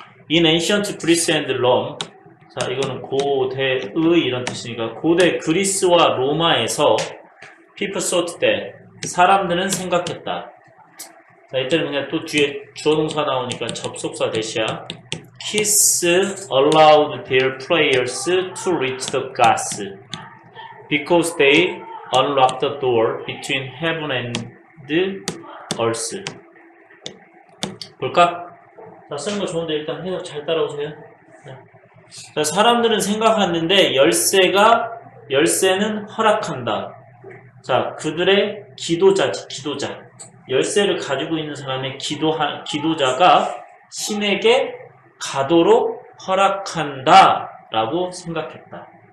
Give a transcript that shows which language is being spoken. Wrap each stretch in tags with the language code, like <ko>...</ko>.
<en>In ancient Greece and Rome.</en> <ko>자, 이거는 고대의 이런 뜻이니까 고대 그리스와 로마에서</ko> <en>people thought that</en> <ko>사람들은 생각했다. 자, 이때는 그냥 또 뒤에 주어동사 나오니까 접속사 대시야.</ko> <en>Kiss allowed their prayers to reach the gods because they unlocked the door between heaven and earth.</en> <ko>볼까? 자, 쓰는 거 좋은데 일단 해석 잘 따라오세요. 자, 사람들은 생각하는데 열쇠는 허락한다. 자, 그들의 기도자지, 기도자. 열쇠를 가지고 있는 사람의 기도자가 신에게 가도록 허락한다 라고 생각했다.</ko>